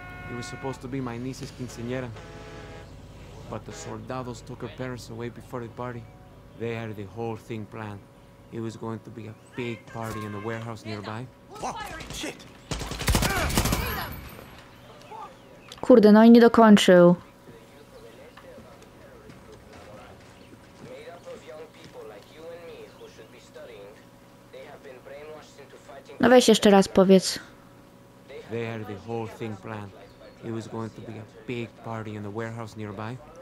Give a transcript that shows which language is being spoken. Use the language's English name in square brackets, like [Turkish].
[English] It was supposed to be my niece's quinceañera, but the soldados took her parents away before the party. They had the whole thing planned. It was going to be a big party in the warehouse nearby. Oh, shit. [Polish] Kurde, no i nie dokończył. No weź jeszcze raz powiedz. [English] They had the whole thing planned. It was going to be a big party in the warehouse nearby.